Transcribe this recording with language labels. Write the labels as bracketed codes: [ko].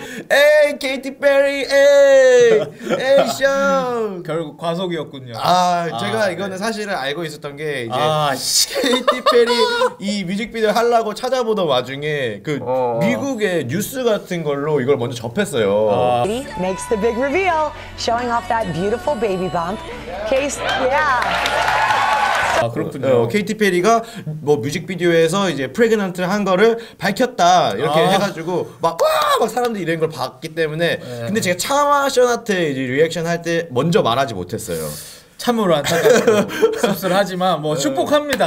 [ko] 에이 케이티 페리 에이 쇼. 결국 과속이었군요. 아 제가 이거는 네. 사실은 알고 있었던 게 이제 케이티 페리 이 뮤직비디오 하려고 찾아보던 와중에 그 미국의 뉴스 같은 걸로 이걸 먼저 접했어요. [en] Makes the big reveal, showing off that beautiful baby bump. Case, yeah. 아 그렇군요. [ko] 케이티 페리가 뭐 뮤직비디오에서 이제 프레그넌트를 한 거를 밝혔다 이렇게 해가지고 막 와 막 사람들이 이런 걸 봤기 때문에 근데 제가 차마 션한테 이제 리액션 할 때 먼저 말하지 못했어요. 참으로 안타깝고 씁쓸하지만 뭐 축복합니다.